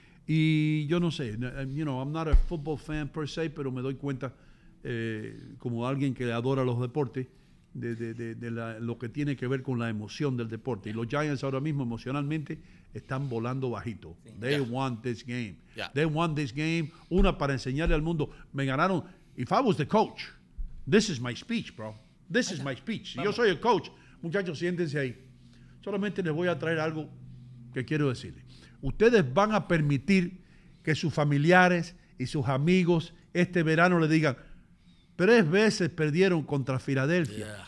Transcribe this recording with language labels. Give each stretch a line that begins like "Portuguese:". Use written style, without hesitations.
Spanish: Y yo no sé,
English: I'm not a football fan per se,
Spanish: pero me doy cuenta, como alguien que adora los deportes, de lo que tiene que ver con la emoción del deporte. Y los Giants ahora mismo emocionalmente están volando bajito.
English: They want this game. Yeah. They want this game.
Spanish: Una para enseñarle al mundo. Me ganaron.
English: If I was the coach, this is my speech, bro. This is my speech.
Spanish: Si yo soy el coach, muchachos, siéntense ahí. Solamente les voy a traer algo que quiero decirles. Ustedes van a permitir que sus familiares y sus amigos este verano le digan, tres veces perdieron contra Filadelfia.